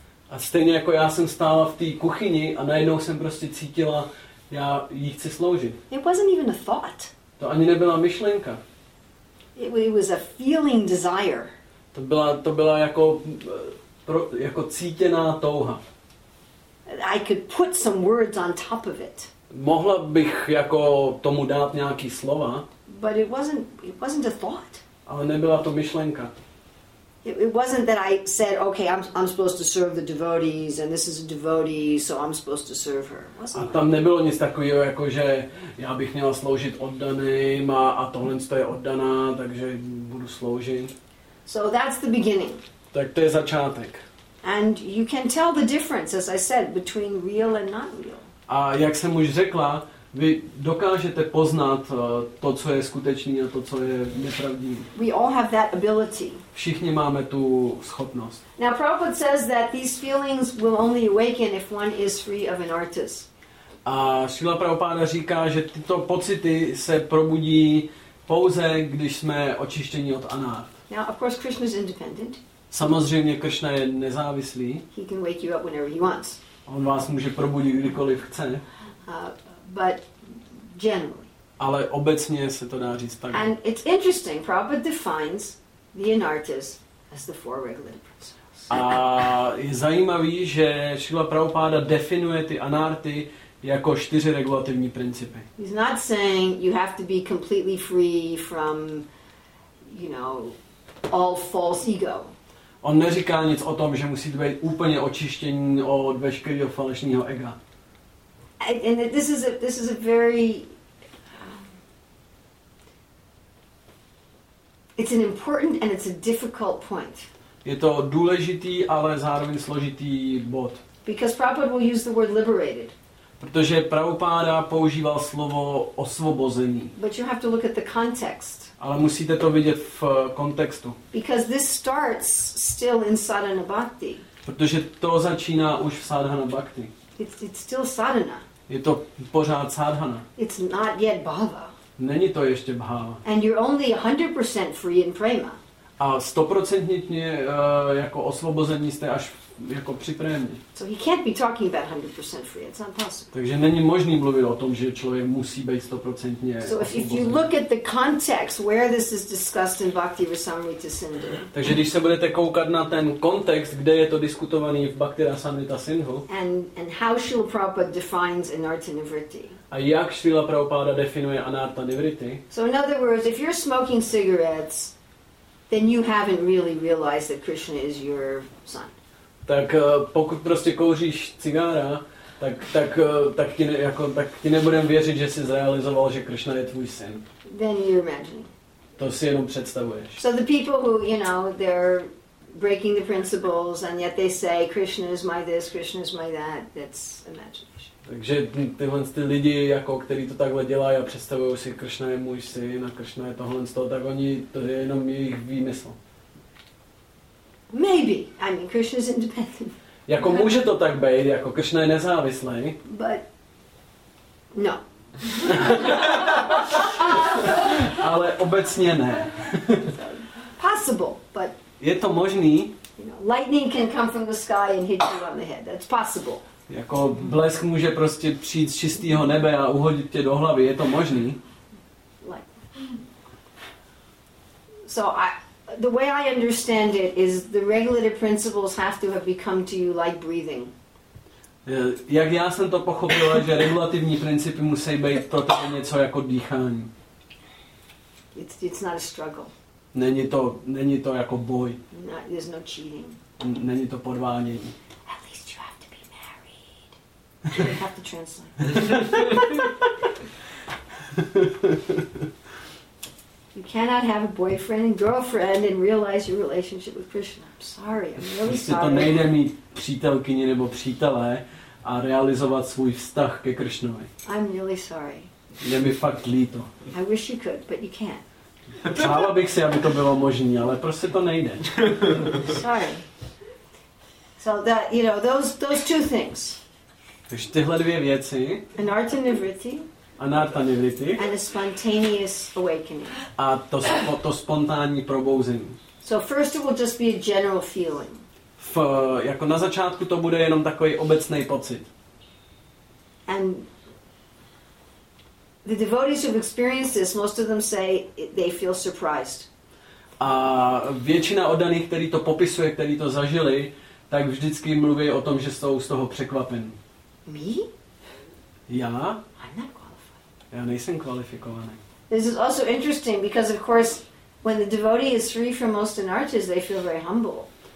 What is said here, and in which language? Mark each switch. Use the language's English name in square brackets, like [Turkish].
[Czech] A stejně jako já jsem stála v té kuchyni a najednou jsem prostě cítila, já jí chci sloužit. [English] It wasn't even a thought. [Czech] To ani nebyla myšlenka. [English] It was a feeling desire. [Czech] To byla jako cítěná touha. [English] I could put some words on top of it. [Czech] Mohla bych jako tomu dát nějaký slova. [English] But it wasn't a thought. [Czech] Ale nebyla to myšlenka. [English] It wasn't that I said, okay, I'm supposed to serve the devotees and this is a devotee, so I'm supposed to serve her. [Czech] A tam nebylo nic takového, jako že já bych měla sloužit oddaným a tohle je oddaná, takže budu sloužit. [English] So that's the beginning. [Czech] Tak to je začátek. [English] And you can tell the difference, as I said, between real and not real. [Czech] A jak jsem už řekla, vy dokážete poznat to, co je skutečný a to, co je nepravdivý. [English] We all have that ability. [Czech] Všichni máme tu schopnost. [English] Now Prabhupada says that these feelings will only awaken if one is free of an artist. [Czech] A Srila Prabhupada říká, že tyto pocity se probudí pouze, když jsme očištěni od anart. [English] Now of course Krishna is independent. [Czech] Samozřejmě Krishna je nezávislý. [English] He can wake you up whenever he wants. [Czech] On vás může probudit kdykoliv chce. [English] But generally. [Czech] Ale obecně se to dá říct tak. [English] And it's interesting, Prabhupada defines the anartas as the four regulated principles. [Czech] A je zajímavý, že Srila Prabhupada definuje ty anarty jako čtyři regulativní principy. [English] He's not saying you have to be completely free from, you know, all false ego. [Czech] On neříká nic o tom, že musíte být úplně očištění od veškerého falešného ega. [English] And this is a very, it's an important and it's a difficult point. [Czech] Je to důležitý, ale zároveň složitý bod. [English] Because Prabhupada will use the word liberated. [Czech] Protože Prabhupada používal slovo osvobozený. [English] But you have to look at the context. [Czech] Ale musíte to vidět v kontextu. [English] Because this starts still in sadhana bhakti. [Czech] Protože to začíná už v sadhana bhakti. [English] It's still sadhana. [Czech] Je to pořád sadhana. [English] It's not yet bhava. [Czech] Není to ještě bhava. [English] And you're only 100% free in prema. [Czech] A 100% jako osvobození jste až jako při prémě. [English] So he can't be talking about 100% free. It's impossible. [Czech] Takže není možný mluvit o tom, že člověk musí být 100% osvobozený. [English] So if you look at the context where this is discussed in Bhakti Rasamrita Sindhu. [Czech] Takže když se budete koukat na ten kontext, kde je to diskutovaný v Bhakti Rasamrita Sindhu. [English] And how Srila Prabhupada defines anarta nivritti. [Czech] A jak Srila Prabhupada definuje anarta nivritti? [English] So in other words, if you're smoking cigarettes, then you haven't really realized that Krishna is your son. [Czech] Tak pokud prostě kouříš cigára, tak ti ne, jako tak ti nebudem věřit, že jsi zrealizoval, že Krishna je tvůj syn. [English] Then you're imagining. [Czech] To si jenom představuješ. [English] So the people who, you know, they're breaking the principles and yet they say Krishna is my this, Krishna is my that. That's imagination. [Czech] Takže tyhle ty lidi jako kteří to takhle dělají a představují si Krishna je můj syn a Krishna je tohle z toho, tak oni to je jenom jejich výmysl. [English] Maybe. I mean, Krishna is independent. [Czech] Jako může to tak být, jako Krishna je nezávislý. [English] But no. [Czech] Ale obecně ne. [English] Possible, but [Czech] je to možný. [English] You know, lightning can come from the sky and hit you on the head. That's possible. [Czech] Jako blesk může prostě přijít z čistého nebe a uhodit tě do hlavy, je to možný. [English] Like. The way I understand it is the regulative principles have to have become to you like breathing. [Czech] Jak já jsem to pochopil, že regulativní principy musí být pro tebe něco jako dýchání. [English] It's not a struggle. [Czech] Není to jako boj. [English] There's no cheating. [Czech] Není to podvádění. [English] At least you have to be married. You have to translate. You cannot have a boyfriend and girlfriend and realize your relationship with Krishna. I'm sorry, I'm really sorry. [Czech] Jestli to nejde mít přítelkyni nebo přítelé a realizovat svůj vztah ke Krishnovi. [English] I'm really sorry. [Czech] Je mi fakt líto. [English] I wish you could, but you can't. [Czech] Přála bych si, aby to bylo možné, ale prostě to nejde. [English] Sorry. So that, you know, those two things. [Czech] Takže tyhle dvě věci. [English] Anarta nivritti. [Czech] Anartha Nivriti. [English] And a spontaneous awakening. [Czech] A to, to spontánní probouzení. [English] So first it will just be a general feeling. [Czech] V, jako na začátku to bude jenom takový obecný pocit. [English] And the devotees who've experienced this, most of them say they feel surprised. [Czech] A většina oddaných, který to popisuje, který to zažili, tak vždycky mluví o tom, že jsou z toho překvapen. [English] Me? [Czech] Já? [English] I'm not qualified. [Czech] Já nejsem kvalifikovaný. [English] This is also interesting because of course when the devotee is free from most anarthas, they feel very humble.